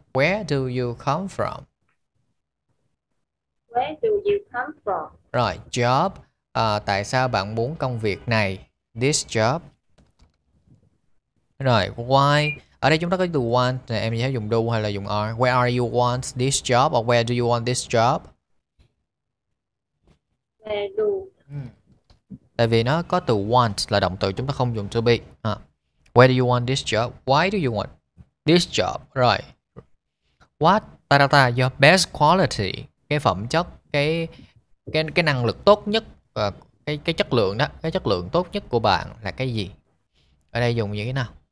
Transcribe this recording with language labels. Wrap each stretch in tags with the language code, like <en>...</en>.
<en>Where do you come from? Where do you come from?</en> <vi>Rồi job, tại sao bạn muốn công việc này,</vi> <en>this job?</en> <vi>Rồi why, ở đây chúng ta có từ want này, em sẽ dùng do hay là dùng are.</vi> <en>Where are you want this job or where do you want this job?</en> <vi>Tại vì nó có từ want là động từ, chúng ta không dùng to be.</vi> <en>Where do you want this job? Why do you want this job? Rồi. What? Ta-da-ta, your best quality.</en> <vi>Cái phẩm chất, cái năng lực tốt nhất, cái chất lượng đó, cái chất lượng tốt nhất của bạn là cái gì? Ở đây dùng như thế nào?</vi>